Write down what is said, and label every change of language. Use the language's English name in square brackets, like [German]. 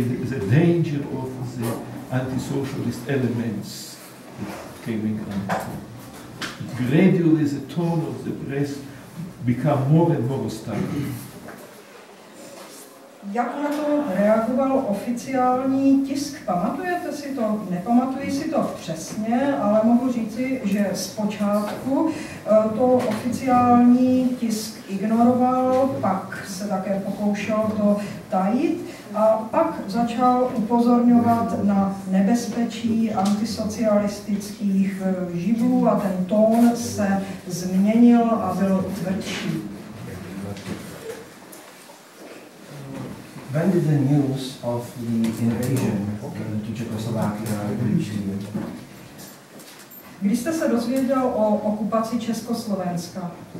[English] The danger of the anti-socialist elements came in. Gradually the tone of the press became more and more hostile. [Czech] Jak na to reagoval oficiální tisk? Pamatujete si to? Nepamatuji si to přesně, ale mohu říci, že zpočátku to oficiální tisk ignoroval, pak se také pokoušel to tajit a pak začal upozorňovat na nebezpečí antisocialistických živlů a ten tón se změnil a byl tvrdší. [English] When did the news of the invasion to Czechoslovakia reach you? [Czech] Kdy jste se dozvěděl o okupaci Československa?